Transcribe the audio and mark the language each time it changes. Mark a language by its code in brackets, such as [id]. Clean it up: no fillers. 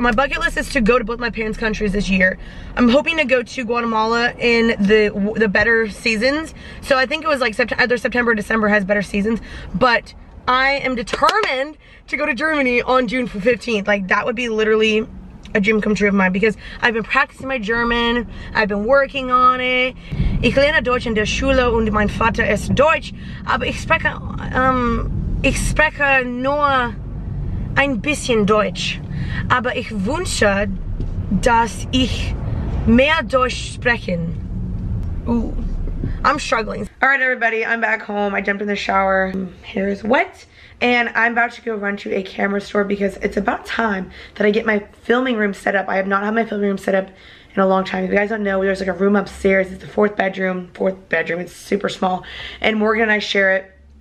[en] My bucket list is to go to both my parents' countries this year. I'm hoping to go to Guatemala in the better seasons. So I think it was like either September or December has better seasons. But I am determined to go to Germany on June 15th. Like, that would be literally a dream come true of mine, because I've been practicing my German, I've been working on it. [de] Ich lerne Deutsch in der Schule und mein Vater ist Deutsch, aber ich spreche Ich spreche nur ein bisschen Deutsch, aber ich wünsche, dass ich mehr Deutsch sprechen. [en] Ooh, I'm struggling. All right, everybody, I'm back home. I jumped in the shower, hair is wet, and I'm about to go run to a camera store because it's about time that I get my filming room set up. I have not had my filming room set up in a long time. If you guys don't know, there's like a room upstairs. It's the fourth bedroom, it's super small, and Morgan and I share it.